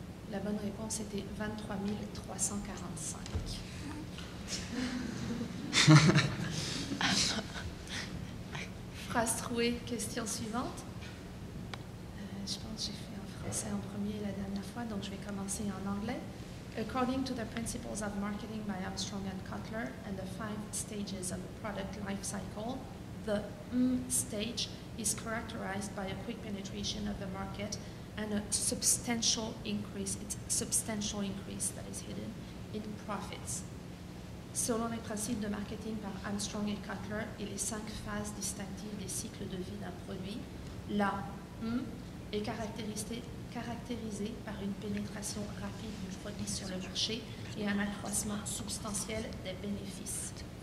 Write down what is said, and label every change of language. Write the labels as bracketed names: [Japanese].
[French] La bonne réponse était 23 345. Phrase trouée, question suivante. Je pense que j'ai fait en français en premier la dernière fois, donc je vais commencer en anglais. [English] According to the principles of marketing by Armstrong and Cutler and the five stages of a product life cycle, the stage is characterized by a quick penetration of the market and a substantial increase, it's a substantial increase that is hidden in profits. [French] Selon les principes de marketing par Armstrong et Cutler et les cinq phases distinctives des cycles de vie d'un produit, la M est caractérisée par une pénétration rapide du produit sur le marché et un accroissement substantiel des bénéfices.